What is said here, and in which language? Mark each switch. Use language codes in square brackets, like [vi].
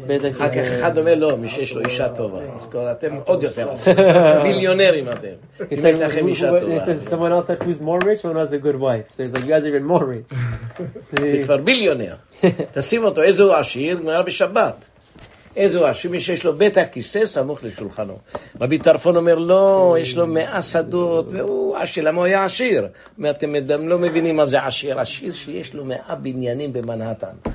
[he] אחר כך אחד אומר לא, מי שיש לו אישה טובה. אז כבר אתם עוד יותר מיליונרים אתם. [en] He says, someone else said, who's more rich, someone else has a good wife. So he's like, you guys are even more rich. [he] זה כבר ביליונר. תשים אותו, איזה הוא עשיר? גמרא בשבת. איזה הוא עשיר? מי שיש לו בית הכיסא סמוך לשולחנו. רבי טרפון אומר, לא, יש לו 100 שדות, והוא עשיר, למה הוא היה עשיר? אתם לא מבינים מה זה עשיר. עשיר שיש לו 100 בניינים במנהטן.